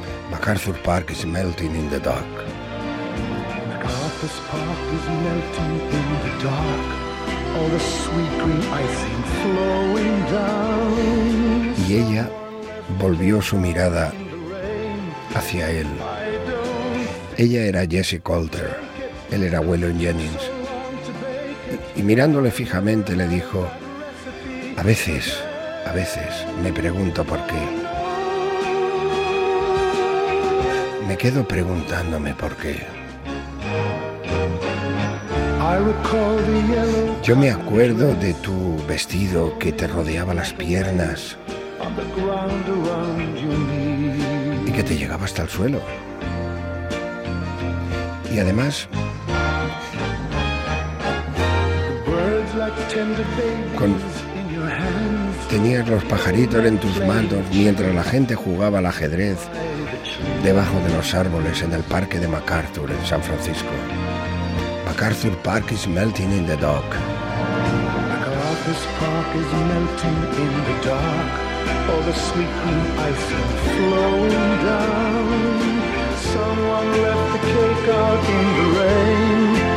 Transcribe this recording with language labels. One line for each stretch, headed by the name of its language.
English: MacArthur Park is melting in the dark. MacArthur's Park is melting in the dark. All the sweet green icing flowing down.
Spanish: Y ella volvió su mirada hacia él. Ella era Jesse Coulter, él era Waylon Jennings. Y mirándole fijamente le dijo: A veces me pregunto por qué. Me quedo preguntándome por qué. Yo me acuerdo de tu vestido que te rodeaba las piernas y que te llegaba hasta el suelo. Y además, tenías los pajaritos en tus manos mientras la gente jugaba al ajedrez debajo de los árboles en el parque de MacArthur en San Francisco.
English: MacArthur Park is melting in the dark. MacArthur's Park is melting in the dark. All the sweet green ice flowing down. Someone left the cake out in the rain.